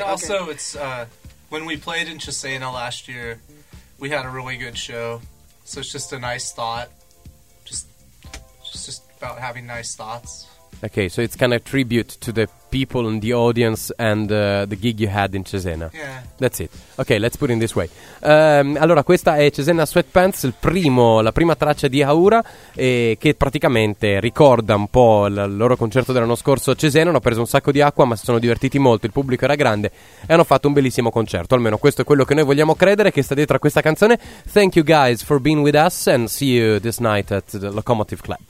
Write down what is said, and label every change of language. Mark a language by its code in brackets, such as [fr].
[en] And also, it's when we played in Cesena last year, we had a really good show, so it's just a nice thought, just about having nice thoughts. Okay, so it's kind of a tribute to the people and the audience and the gig you had in Cesena. Yeah. That's it. Okay, let's put it in this way. [it] Allora, questa è Cesena Sweatpants, la prima traccia di Haura, che praticamente ricorda un po' il loro concerto dell'anno scorso a Cesena. Hanno preso un sacco di acqua, ma si sono divertiti molto, il pubblico era grande e hanno fatto un bellissimo concerto. Almeno questo è quello che noi vogliamo credere, che sta dietro a questa canzone. [en] Thank you guys for being with us and see you this night at the Locomotive Club.